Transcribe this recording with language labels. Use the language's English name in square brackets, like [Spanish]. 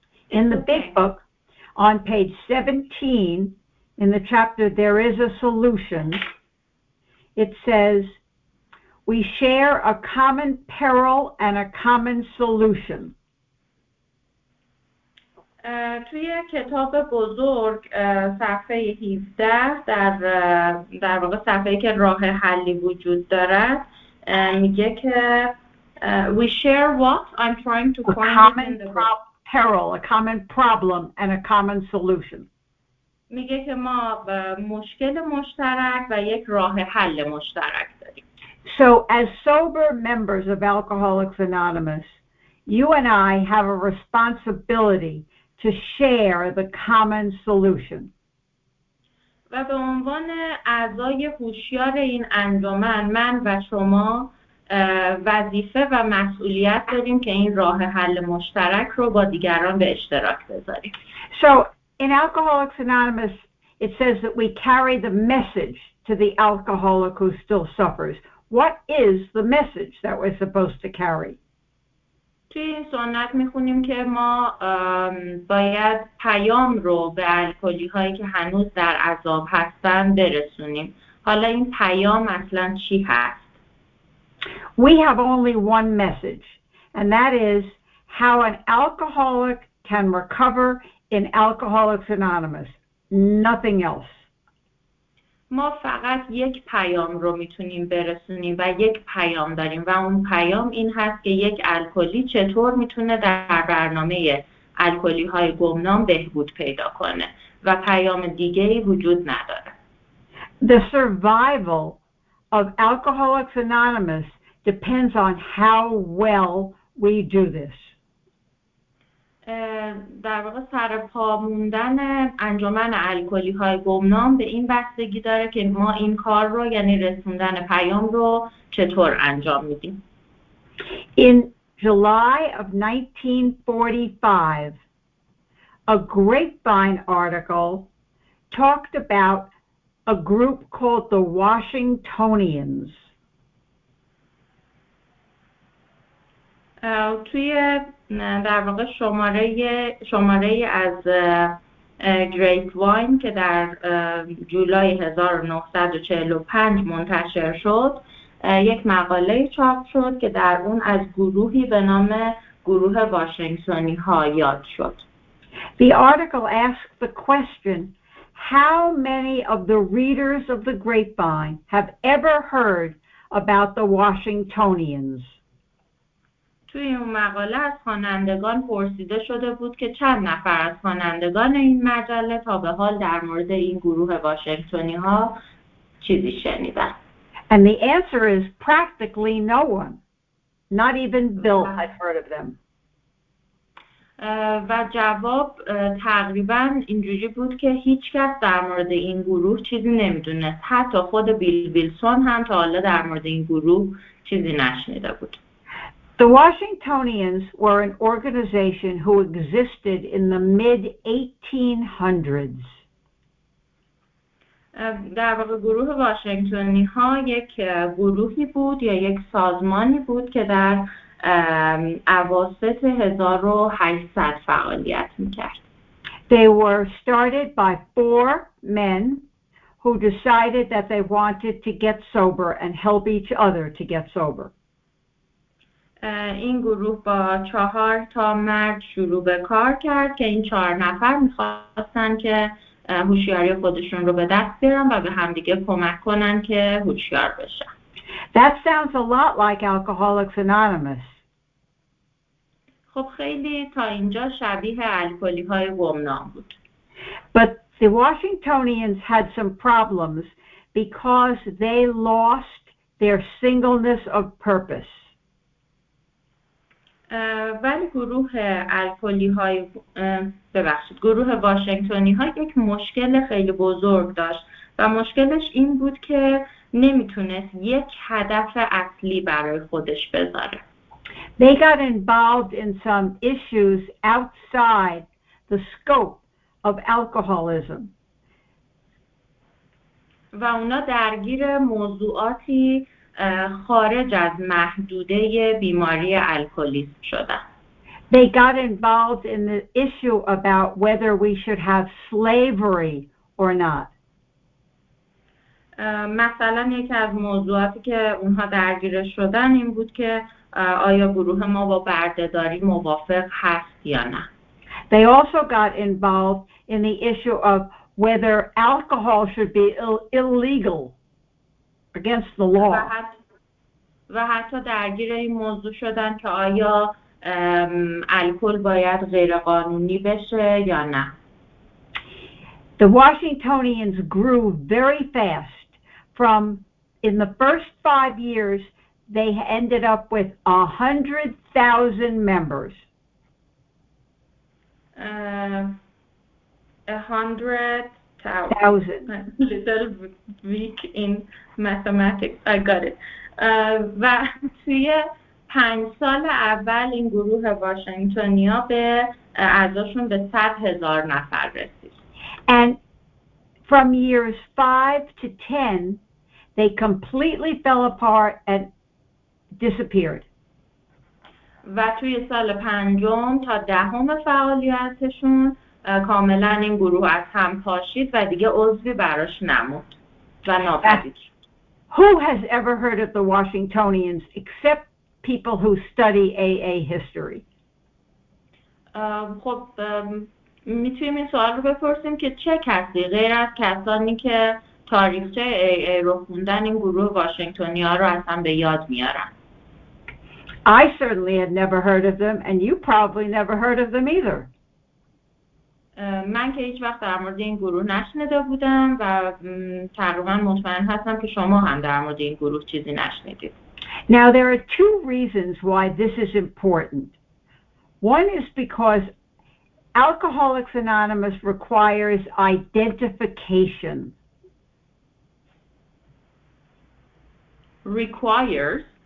[English] In the big book, on page 17, in the chapter There Is a Solution, it says, we share a common peril and a common solution. [Persian] توی کتاب بزرگ صفحه 17 در واقع صفحه که راه حلی وجود دارد میگه که [English] we share what I'm trying to a common peril, a common problem, and a common solution. [Persian] میگه که ما مشکل مشترک و یک راه حل مشترک داریم. [English] So as sober members of Alcoholics Anonymous, you and I have a responsibility to share the common solution. [Persian] و به عنوان اعضای هوشیار این انجمن من و شما وظیفه و مسئولیت داریم که این راه حل مشترک رو با دیگران به اشتراک بذاریم. [English] So in Alcoholics Anonymous it says that we carry the message to the alcoholic who still suffers. What is the message that we're supposed to carry? [Persian] توی این سنت میخونیم که ما باید پیام رو به الکلی هایی که هنوز در عذاب هستن برسونیم. حالا این پیام اصلا چی هست؟ [English] We have only one message, and that is how an alcoholic can recover in Alcoholics Anonymous. Nothing else. [Persian] ما فقط یک پیام رو میتونیم برسونیم و یک پیام داریم و اون پیام این هست که یک الکلی چطور میتونه در برنامه الکلی های گمنام بهبود پیدا کنه و پیام دیگه ای وجود نداره. [English] The survival of Alcoholics Anonymous depends on how well we do this. [Persian] در واقع سرپا موندن انجمن الکلی‌های گمنام به این بستگی داره که ما این کار رو یعنی رسوندن پیام رو چطور انجام میدیم. [English] In July of 1945 a grapevine article talked about a group called the Washingtonians. [Persian] توی در واقع شماره از گریپ واین که در جولای 1945 منتشر شد یک مقاله چاپ شد که در اون از گروهی به نام گروه واشنگتنی ها یاد شد. [English] The article asked the question, how many of the readers of the grapevine have ever heard about the Washingtonians? [Persian] توی اون مقاله از خوانندگان پرسیده شده بود که چند نفر از خوانندگان این مجله تا به حال در مورد این گروه واشنگتنی ها چیزی شنیدن. [English] And the answer is practically no one. Not even Bill had heard of them. [Persian] و جواب تقریبا اینجوری بود که هیچ کس در مورد این گروه چیزی نمیدونست. حتی خود بیل ویلسون هم تا حالا در مورد این گروه چیزی نشنیده بود. [English] The Washingtonians were an organization who existed in the mid-1800s. [Persian] در واقع گروه واشنگتنی ها یک گروهی بود یا یک سازمانی بود که در اواسط 1800 فعالیت میکرد. [English] They were started by four men who decided that they wanted to get sober and help each other to get sober. [Persian] این گروه با چهار تا مرد شروع به کار کرد که این چهار نفر می‌خواستن که هوشیاری خودشون رو به دست بیارن و به همدیگه کمک کنن که هوشیار بشن. [English] That sounds a lot like Alcoholics Anonymous. [Persian] خب خیلی تا اینجا شبیه الکلی‌های گمنام بود. [English] But the Washingtonians had some problems because they lost their singleness of purpose. [Persian] ولی گروه الکلی های ببخشید گروه واشنگتنی ها یک مشکل خیلی بزرگ داشت و مشکلش این بود که نمیتونست یک هدف اصلی برای خودش بذاره. [English] They got involved in some issues outside the scope of alcoholism. [Persian] و اونا درگیر موضوعاتی خارج از محدوده بیماری الکلیسم شدن. [English] They got involved in the issue about whether we should have slavery or not. [Persian] مثلا یکی از موضوعاتی که اونها درگیر شدن این بود که آیا گروه ما با بردهداری موافق هست یا نه. [English] They also got involved in the issue of whether alcohol should be illegal. Against the law. [Persian] و حتی درگیر این موضوع شدن که آیا الکل باید غیرقانونی بشه یا نه. [English] The Washingtonians grew very fast. From in the first 5 years, they ended up with 100,000 members. 100,000. Little weak in mathematics. I got it. And in the first 5 years, the And from years 5 to 10, they completely fell apart and disappeared. [Persian] و توی سال پنجم تا دهم فعالیتشون کاملا این گروه از هم پاشید و دیگه عضوی براش نموند و ناپدید. [English] Who has ever heard of the Washingtonians except people who study AA history? [Persian] خب میتونیم این سوال رو بپرسیم که چه کسی غیر از کسانی که تاریخچه AA رو خوندن این گروه واشنگتونیا رو اصلا به یاد میارن؟ [English] I certainly had never heard of them, and you probably never heard of them either. [Persian] من که هیچ وقت در مورد این گروه نشنیده بودم و تقریبا مطمئن هستم که شما هم در مورد این گروه چیزی نشنیدید. [English] Now there are two reasons why this is important. One is because Alcoholics Anonymous requires identification. Requires.